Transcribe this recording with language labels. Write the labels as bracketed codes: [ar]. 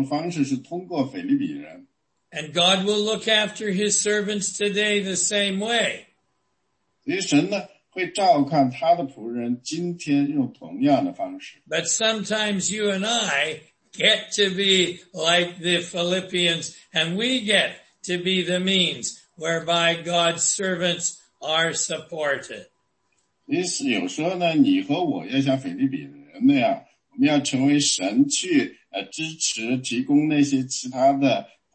[zh] 所以那神在看顾使徒保罗，神看顾使徒保罗的方式是通过腓立比人。 [en] And God will look after his servants today the same way. [zh] 所以神呢，会照看他的仆人，今天用同样的方式。 [en] But sometimes you and I get to be like the Philippians, and we get to be the means whereby God's servants are supported. [zh] 因此有时候呢，你和我要像腓立比人那样，我们要成为神去支持、提供那些其他的。